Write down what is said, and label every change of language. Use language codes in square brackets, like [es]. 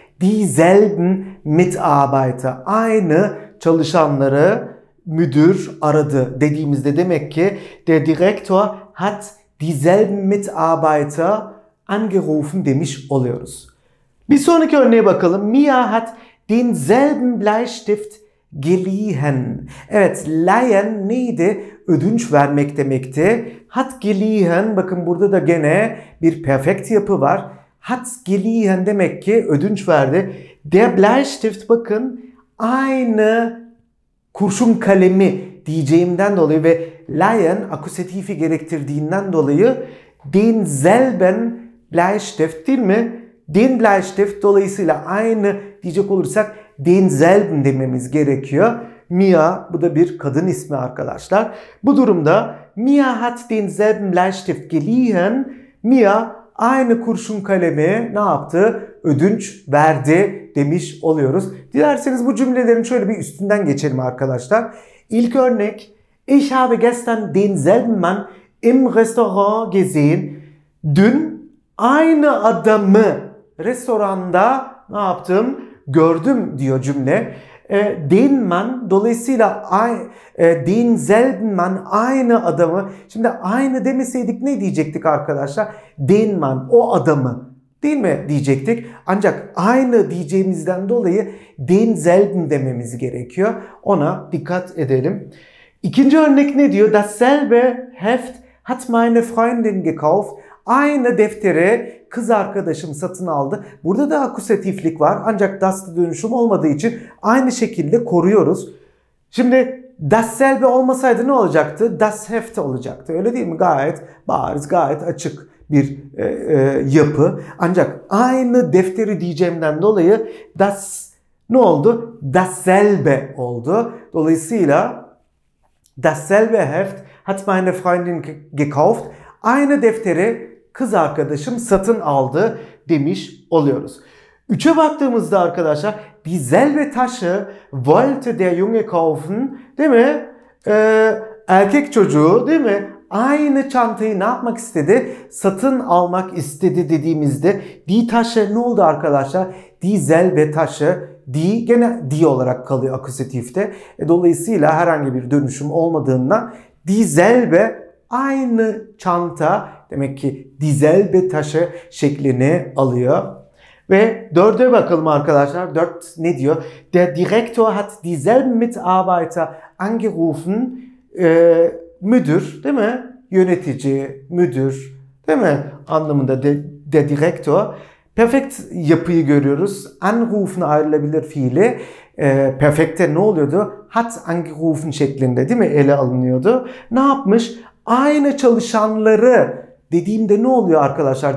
[de] Die selben Mitarbeiter, [tr] aynı çalışanları müdür aradı dediğimizde demek ki [de] der Direktor hat dieselben Mitarbeiter angerufen [tr] demiş oluyoruz. Bir sonraki örneğe bakalım. [de] Mia hat denselben Bleistift geliehen. [tr] Evet, leihen neydi? Ödünç vermek demekti. [de] Hat geliehen, [tr] bakın burada da gene bir perfekt yapı var. Hat geliehen demek ki ödünç verdi. [de] Der Bleistift [tr] bakın aynı kurşun kalemi diyeceğimden dolayı ve Lion akusatifi gerektirdiğinden dolayı [de] denselben Bleistift [tr] değil mi? [de] Den Bleistift [tr] dolayısıyla aynı diyecek olursak denselben dememiz gerekiyor. Mia, bu da bir kadın ismi arkadaşlar. Bu durumda [de] Mia hat denselben Bleistift geliehen. [tr] Mia aynı kurşun kalemi ne yaptı? Ödünç verdi demiş oluyoruz. Dilerseniz bu cümlelerin şöyle bir üstünden geçelim arkadaşlar. İlk örnek. [de] Ich habe gestern denselben Mann im Restaurant gesehen. [tr] Dün aynı adamı restoranda ne yaptım? Gördüm diyor cümle. [de] Den Mann [tr] dolayısıyla [de] denselben Mann [tr] aynı adamı. Şimdi aynı demeseydik ne diyecektik arkadaşlar? [de] Den Mann [tr] o adamı değil mi diyecektik. Ancak aynı diyeceğimizden dolayı denselben dememiz gerekiyor. Ona dikkat edelim. İkinci örnek ne diyor? [de] Dasselbe Heft hat meine Freundin gekauft. [tr] Aynı defteri kız arkadaşım satın aldı. Burada da akusatiflik var. Ancak das'ta dönüşüm olmadığı için aynı şekilde koruyoruz. Şimdi dasselbe olmasaydı ne olacaktı? [de] Das Heft [tr] olacaktı. Öyle değil mi? Gayet bariz, gayet açık bir yapı. Ancak aynı defteri diyeceğimden dolayı das ne oldu? Dasselbe oldu. Dolayısıyla [de] dasselbe Heft hat meine Freundin gekauft. [tr] Aynı defteri kız arkadaşım satın aldı demiş oluyoruz. Üçe baktığımızda arkadaşlar dieselbe taşı [de] wollte der Junge kaufen [tr] değil mi? Erkek çocuğu değil mi? Aynı çantayı ne yapmak istedi? Satın almak istedi dediğimizde die taşı ne oldu arkadaşlar? Dieselbe taşı die gene die olarak kalıyor akusatifte. Dolayısıyla herhangi bir dönüşüm olmadığından dieselbe aynı çanta demek ki dieselbe taşı şeklini alıyor. Ve dörde bakalım arkadaşlar. Dört ne diyor? [de] Der Direktor hat dieselben Mitarbeiter angerufen. [tr] Müdür değil mi? Yönetici, müdür değil mi? Anlamında der Direktor. Perfekt yapıyı görüyoruz. Anrufen ayrılabilir fiili. Perfekte ne oluyordu? [de] Hat angerufen [tr] şeklinde değil mi? Ele alınıyordu. Ne yapmış? Aynı çalışanları dediğimde ne oluyor arkadaşlar?